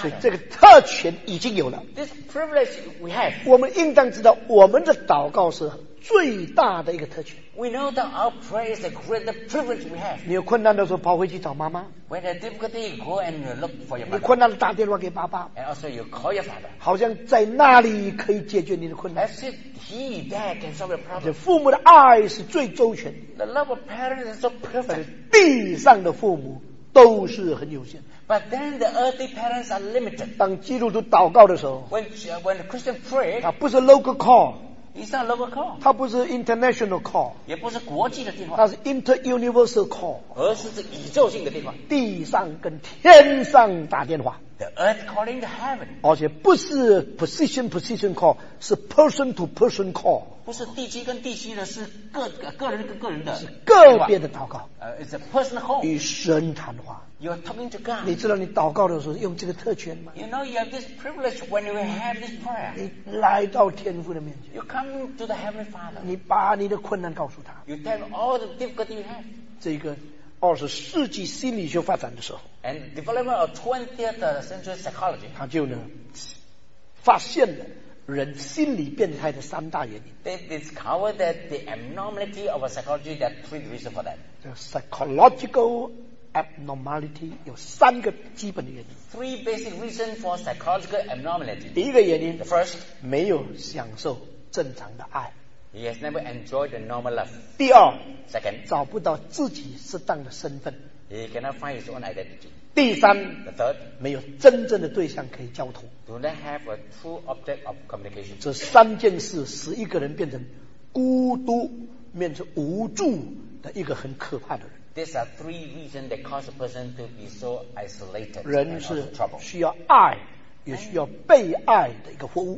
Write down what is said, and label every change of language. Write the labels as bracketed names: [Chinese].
[Chinese] 所以这个特权已经有了。 [English] This privilege we have. [Chinese] 我们应当知道我们的祷告是最大的一个特权。 [English] We know that our prayer is the greatest privilege we have. [Chinese] 你有困难的时候跑回去找妈妈。 [English] When there's difficulty, you go and look for your mother. [Chinese] 你困难了打电话给爸爸。 [English] And also you call your father. [Chinese] 好像在那里可以解决你的困难。 [English] As if he, dad can solve your problem. [Chinese] 父母的爱是最周全。 [English] The love of parents is so perfect. [Chinese] 地上的父母都是很有限。 [English] But then the earthly parents are limited. [Chinese] 当基督徒祷告的时候。 [English] When the Christian pray. [Chinese] 他不是 [English] local call. It's not a local call. [Chinese] 它不是 [English] international call. [Chinese] 也不是国际的电话。它是 [English] inter-universal call. [Chinese] 而是宇宙性的电话。地上跟天上打电话。 [English] The earth calling the heaven. [Chinese] 而且不是 [English] position position call， [Chinese] 是 [English] person to person call。 [Chinese] 不是地基跟地基的，是个人跟个人的。是个别的祷告。 [English] It's a personal call。 [Chinese] 与神谈话。 [English] You're talking to God。 [Chinese] 你知道你祷告的时候用这个特权吗 [English] ？You know you have this privilege when you have this prayer。 [Chinese] 你来到天父的面前。 [English] You come to the Heavenly Father。 [Chinese] 你把你的困难告诉他。 [English] You tell all the difficulty you have。 [Chinese] 这个。二十世纪心理学发展的时候 [English] and development of 20th century psychology [Chinese] 他就呢发现了人心理变态的三大原因 [English] they discovered that the abnormality of a psychology there are three reasons for that the psychological abnormality [Chinese] 有三个基本的原因 [English] three basic reasons for psychological abnormality [Chinese] 第一个原因 [English] the first [Chinese] 没有享受正常的爱 [English] He has never enjoyed the normal life. [Chinese] 第二 [English] Second, [Chinese] 找不到自己适当的身份 [English] He cannot find his own identity. [Chinese] 第三 [English] The third, [Chinese] 没有真正的对象可以交通 [English] Do not have a true object of communication. [Chinese] 这三件事使一个人变成孤独变成无助的一个很可怕的人 [English] These are three reasons that cause a person to be so isolated [Chinese] 人是需要爱也需要被爱的一个活物。